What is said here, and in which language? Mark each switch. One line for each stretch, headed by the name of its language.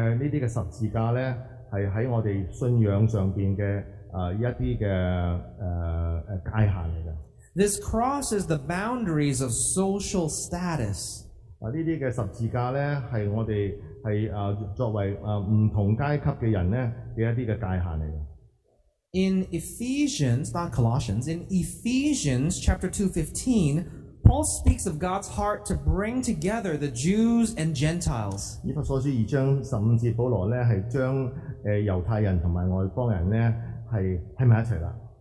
Chinese: 这些十字架呢，是在我们信仰上面的一些的界限的。
English: This crosses the boundaries of social status.
Chinese: 这些十字架呢，是我们是作为不同阶级的人呢的一些界限来的。
English: In Ephesians, not Colossians, in Ephesians chapter 2:15, Paul speaks of God's heart to bring together the Jews and Gentiles.
Chinese: 以弗所书二章十五节，保罗呢是将犹太人和外邦人呢是在一起的。